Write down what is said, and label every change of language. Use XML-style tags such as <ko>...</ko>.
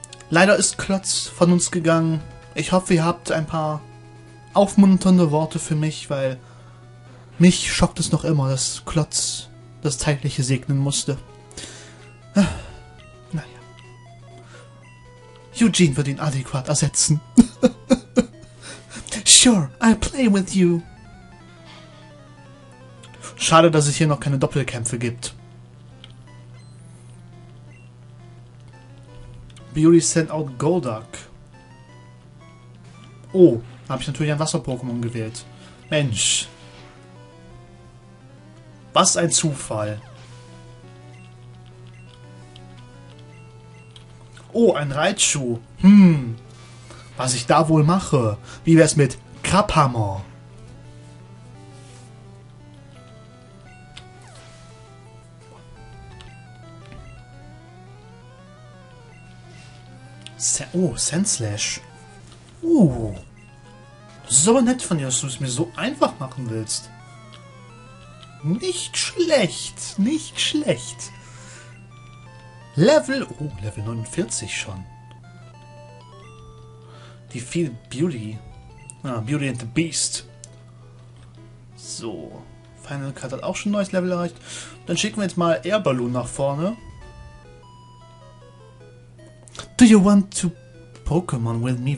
<de>Leider ist Klotz von uns gegangen. Ich hoffe, ihr habt ein paar aufmunternde Worte für mich, weil mich schockt es noch immer, dass Klotz das Zeitliche segnen musste. Naja. Eugene wird ihn adäquat ersetzen.</de> <en>Sure, I'll play with you.</en> <de>Schade, dass es hier noch keine Doppelkämpfe gibt.</de> <en>Beauty sent out Golduck.</en> <de>Oh, da habe ich natürlich ein Wasser-Pokémon gewählt. Mensch. Was ein Zufall. Oh, ein Raichu. Was ich da wohl mache? Wie wär's mit Krabhammer? Sandslash. Das ist aber nett von dir, dass du es mir so einfach machen willst. Nicht schlecht, nicht schlecht. Level 49 schon.</de> <en>Defeat Beauty. Ah, Beauty and the Beast.</en> <de>So, Final Cut hat auch schon ein neues Level erreicht. Dann schicken wir jetzt mal Air Balloon nach vorne.</de> <en>Do you want to Pokémon with me?</en>